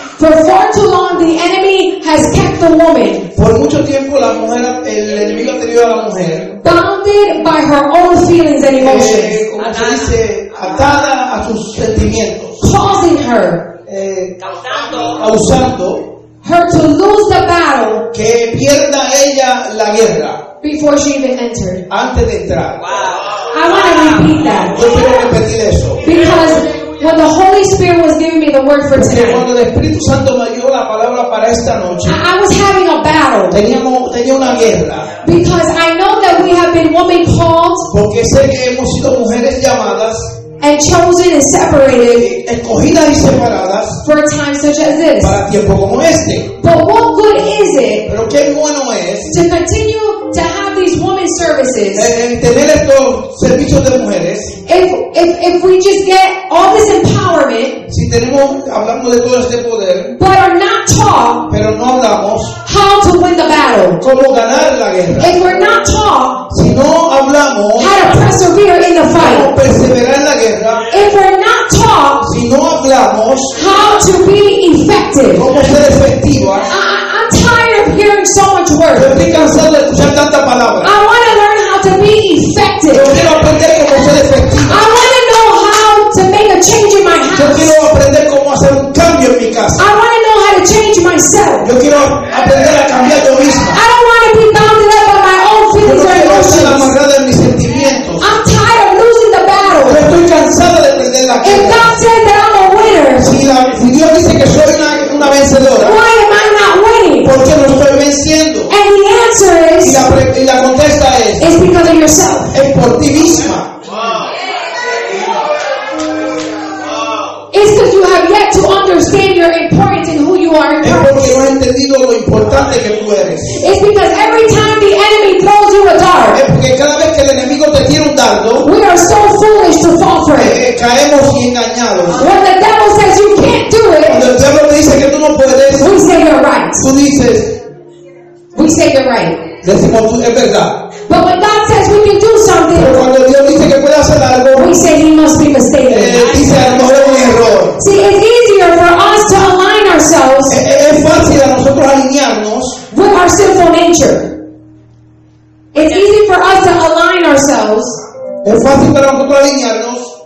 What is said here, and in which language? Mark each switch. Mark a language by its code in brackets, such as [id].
[en] For far too long, the enemy has kept the woman. [es] Por mucho tiempo, la mujer, el enemigo ha tenido a la mujer. [en] Bounded by her own feelings and emotions. [es] Como se dice, atada a sus sentimientos. [en] Causing her. [es] Causando. [en] Her to lose the battle. [es] Que pierda ella la guerra. [en] Before she even entered. [es] Antes de entrar. [en] Wow. I want to repeat that. [es] Yo quiero repetir eso. [en] Because when the Holy Spirit was giving me the word for tonight, [es] cuando el Espíritu Santo me dio la palabra para esta noche, [en] I was having a battle. [es] Tenía una guerra. [en] Because I know that we have been women called. [es] Porque sé que hemos sido mujeres llamadas. [en] And chosen and separated, [es] escogidas y separadas, [en] for a time such as this. [es] Para tiempo como este. [en] But what good is it, [es] pero qué bueno es, [en] to continue to have these women's services, [es] en tener estos servicios de mujeres, [en] if we just get all this empowerment, [es] si tenemos, hablando de todo este poder, [en] but are not taught, [es] pero no hablamos, [en] how to win the battle, [es] cómo ganar la guerra. [en] If we're not taught, [es] si no hablamos, [en] how to persevere in the fight, [es] cómo perseverar en la guerra. [en] If we're not taught, [es] si no hablamos, [en] how to be effective, [es] cómo ser efectiva. [en] I'm tired of hearing so much word. [es] Yo estoy cansado de escuchar tanta palabra. [en] I want to learn how to be effective. [es] Yo quiero aprender cómo ser efectiva. [en] I want to know how to make a change in my house. [es] Yo quiero aprender cómo hacer un cambio en mi casa. [en] I want to know how to change myself. [es] Yo quiero aprender a cambiar yo misma. [en] I don't want to be bounded up by my own feelings or emotions. [es] Yo no quiero estar amarrada en mis sentimientos. [en] I'm tired of losing the battle. [es] Yo estoy cansada de perder la guerra. [en] If God said that I'm a winner, [es] si Dios dice que soy una vencedora, [en] why am I not winning? [es] ¿Por qué no estoy venciendo? [en] And the answer is, [es] y la contesta es, [en] it's because of yourself. [es] Es por ti misma. [en] It's because you have yet to understand your importance in who you are in Christ. [es] Es porque no has entendido lo importante que tú eres. [en] It's because every time the enemy throws you a dart, [es] es porque cada vez que el enemigo te tira un dardo, [en] we are so foolish to fall for it. [es] Caemos y engañados. [en] When the devil says you can't do it, [es] cuando el diablo te dice que tú no puedes, [en] we say you're right. [es] Tú dices, [en] we say you're right. [es] Decimos, tú, es verdad. [en] But when God says we can do something, [es] pero cuando Dios dice que puede hacer algo, [en] we say he must be mistaken. [es] Dice, a lo mejor es un error. [en] See, it's easier for us to align ourselves, [es] es fácil a nosotros alinearnos, [en] with our sinful nature. It's easy for us to align ourselves, [es] es fácil para nosotros alinearnos,